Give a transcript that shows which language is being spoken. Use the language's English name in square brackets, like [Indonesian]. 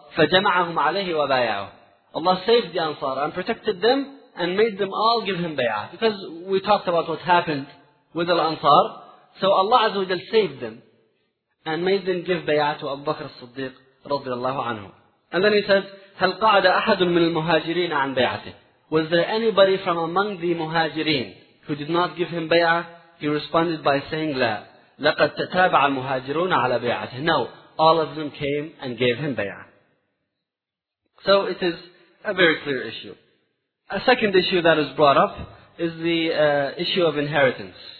[Arabic] فَجَمَعَهُمْ عَلَيْهِ وَبَايَعُهُ. [English] Allah saved the Ansar and protected them and made them all give him bay'ah. Because we talked about what happened with Al-Ansar. So Allah Azza wa Jal saved them and made them give bay'ah to Abu Bakr as-Siddiq radiallahu anhu. And then he said, [Arabic] هَلْ قَعَدَ أَحَدٌ مِنَ الْمُهَاجِرِينَ عَنْ بَيْعَتِهِ. [English] Was there anybody from among the muhajireen who did not give him bay'ah? He responded by saying, لَا. [Arabic] لَقَدْ تَتَابَعَ الْمُهَاجِرُونَ عَلَى بَيْعَتِهِ. [English] No, all of them came and gave him bay'ah. So it is a very clear issue. A second issue that is brought up is the issue of inheritance.